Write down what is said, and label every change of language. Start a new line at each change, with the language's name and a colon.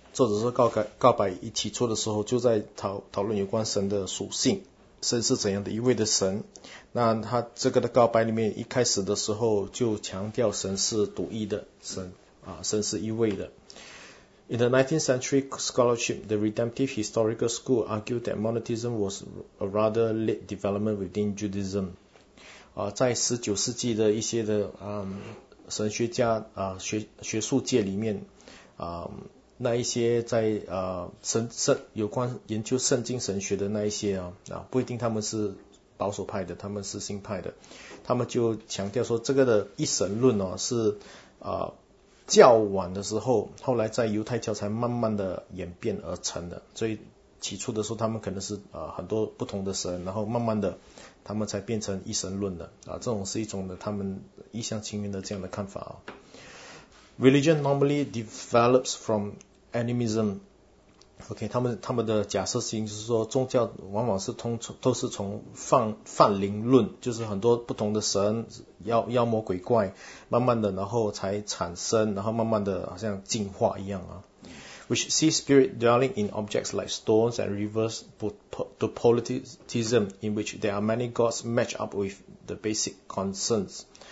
Chinese: 作者说告白一起做的时候，就在讨论有关神的属性，神是怎样的一位的神。那他这个的告白里面，一开始的时候就强调神是独一的神啊，神是一位的。
English: In the 19th century scholarship, the Redemptive Historical School argued that monotheism was a rather late development within Judaism.
Chinese: 啊，在19世纪的一些的神学家啊学术界里面啊。那一些在有关研究圣经神学的那一些啊，不一定他们是保守派的，他们是新派的，他们就强调说这个的一神论哦是较晚的时候，后来在犹太教才慢慢的演变而成的，所以起初的时候他们可能是很多不同的神，然后慢慢的他们才变成一神论的啊，这种是一种的他们一厢情愿的这样的看法啊。
English: Religion normally develops from animism.
Chinese: OK, 他们的假设性是说，宗教往往是都是从泛灵论，就是很多不同的神、妖魔鬼怪，慢慢的然后才产生，然后慢慢的好像进化一样啊。
English: Which sees spirit dwelling in objects like stones and rivers, to polytheism in which there are many gods match up with the basic concerns.